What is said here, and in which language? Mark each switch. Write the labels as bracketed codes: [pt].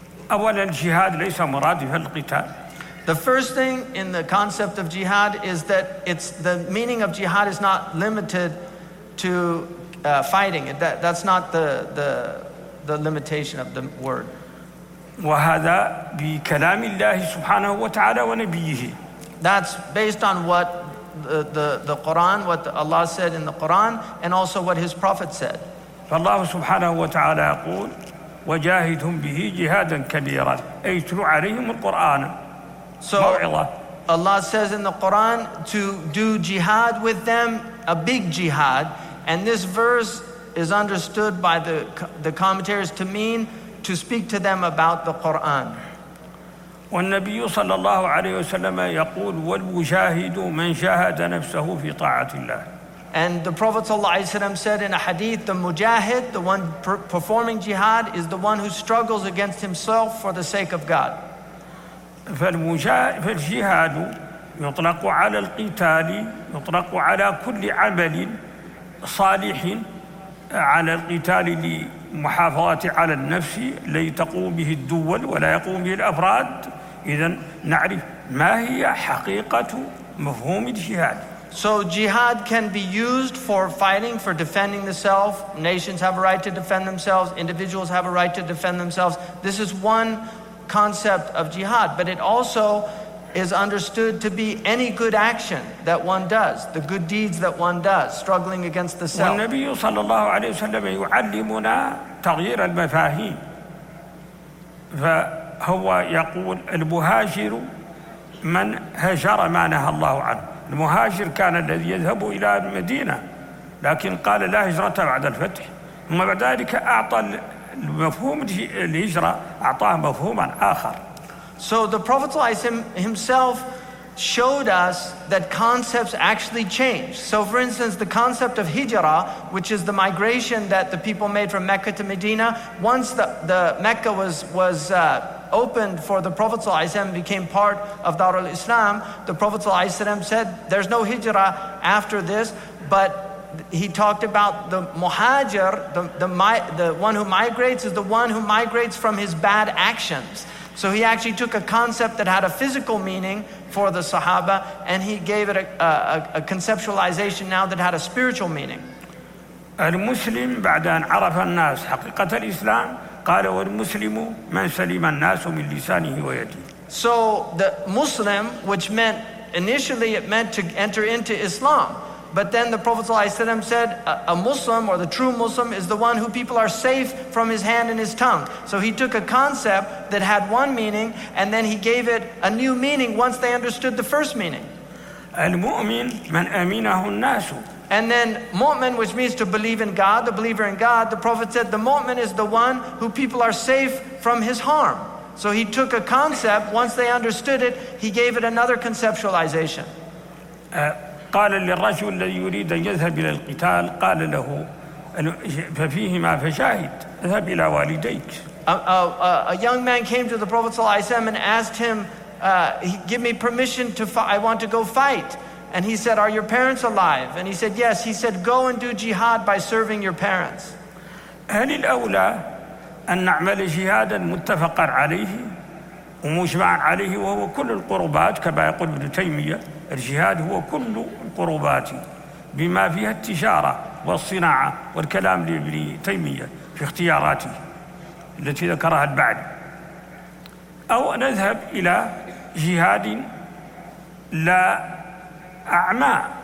[ar] أولا الجهاد ليس مرادف القتال. [en] The first thing in the concept of jihad is that it's the meaning of jihad is not limited to fighting. That's not the limitation of the word. [ar] وهذا بكلام الله سبحانه وتعالى ونبيه. [en] That's based on what the Quran, what Allah said in the Quran, and also what His Prophet said. [ar] فالله سبحانه وتعالى يقول وجاهدهم به جهادا كبيرا أي تلو عليهم القرآن. [en] So Allah says in the Quran to do jihad with them, a big jihad, and this verse is understood by the commentaries to mean to speak to them about the Quran. [ar] والنبي صلى الله عليه وسلم يقول والمجاهد من جاهد نفسه في طاعة الله. [en] And the Prophet [ar] صلى الله عليه وسلم [en] said in a hadith, the mujahid, the one performing jihad, is the one who struggles against himself for the sake of God. [ar] فالجهاد يطلق على القتال، يطلق على كل عمل صالح على القتال لمحافظة على النفس لي تقوم به الدول ولا يقوم به الأفراد. إذن نعرف ما هي حقيقة مفهوم الجهاد. [en] So jihad can be used for fighting, for defending the self. Nations have a right to defend themselves. Individuals have a right to defend themselves. This is one concept of jihad. But it also is understood to be any good action that one does, the good deeds that one does, struggling against the self. [ar] والنبي صلى الله عليه وسلم يعلمنا تغيير المفاهيم. فهو يقول المهاجر من هجر ما نهى الله عنه. المهاجر كان الذي يذهب إلى المدينة لكن قال لا هجرة بعد الفتح، ثم بعد ذلك أعطى المفهوم الهجرة أعطاه مفهوما آخر. [en] So the Prophet ﷺ himself showed us that concepts actually change. So for instance, the concept of hijra, which is the migration that the people made from Mecca to Medina, once the Mecca was opened for the Prophet ﷺ, became part of Darul Islam, the Prophet ﷺ said there's no hijrah after this, but he talked about the muhajir, the one who migrates is the one who migrates from his bad actions. So he actually took a concept that had a physical meaning for the Sahaba and he gave it a conceptualization now that had a spiritual meaning. [ar] المسلم بعد أن عرف الناس حقيقة الإسلام قال والمسلم من سلم الناس من لسانه ويده. [en] So the Muslim, which meant initially it meant to enter into Islam, but then the Prophet ﷺ said a Muslim or the true Muslim is the one who people are safe from his hand and his tongue. So he took a concept that had one meaning and then he gave it a new meaning once they understood the first meaning. [ar] المؤمن من أمينه الناس. [en] And then mu'min, which means to believe in God, the believer in God, the Prophet said the mu'min is the one who people are safe from his harm. So he took a concept, once they understood it, he gave it another conceptualization. [ar] قال للرجل الذي يريد أن يذهب إلى القتال قال له ففيهما فشاهد اذهب إلى والديك. [en] A young man came to the Prophet [ar] صلى الله عليه وسلم [en] and asked him, give me permission to fight, I want to go fight. And he said, are your parents alive? And he said, yes. He said, go and do jihad by serving your parents. [ar] هل الأولى أن نعمل جهادا متفقا عليه ومجمعا عليه وهو كل القربات كما يقول ابن تيمية الجهاد هو كل القربات بما فيها التجارة والصناعة والكلام لابن تيمية في اختياراته التي ذكرها البعض أو نذهب إلى جهاد لا أعمى